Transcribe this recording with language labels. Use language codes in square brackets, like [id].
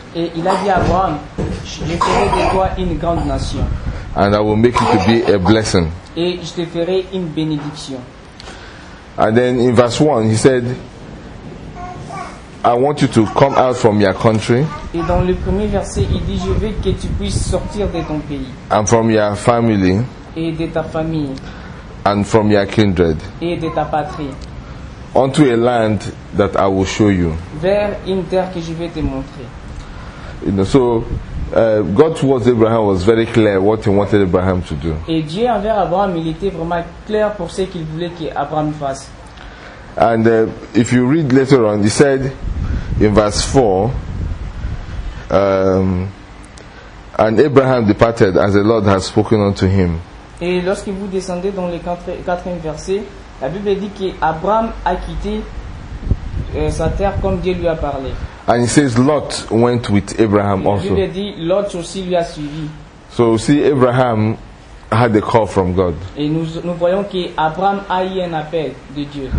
[fr] Et il a dit à Abraham, je ferai de toi une grande nation. [en] And I will make you to be a blessing. [fr] Et je te ferai une bénédiction. [en] And then in verse 1, he said, I want you to come out from your country. [fr] Et dans le premier verset, il dit, je veux que tu puisses sortir de ton pays. [en] And from your family. [fr] Et de ta famille. [en] And from your kindred. [fr] Et de ta patrie. [en] Unto a land that I will show you. [fr] Vers une terre que je vais te montrer. [en] You know, so God towards Abraham was very clear what he wanted Abraham to do. [fr] Et Dieu envers Abraham, il était vraiment clair pour ce qu'il voulait que Abraham fasse. [en] And if you read later on, he said in verse 4, and Abraham departed as the Lord had spoken unto him. [fr] Et lorsque vous descendez dans le quatrième verset, la Bible dit que Abraham a quitté sa terre comme Dieu lui a parlé. [en] And he says Lot went with Abraham also. [fr] La Bible dit Lot aussi lui a suivi. [en] So see, Abraham had a call from God. [fr] Et nous voyons que Abraham a eu un appel de Dieu.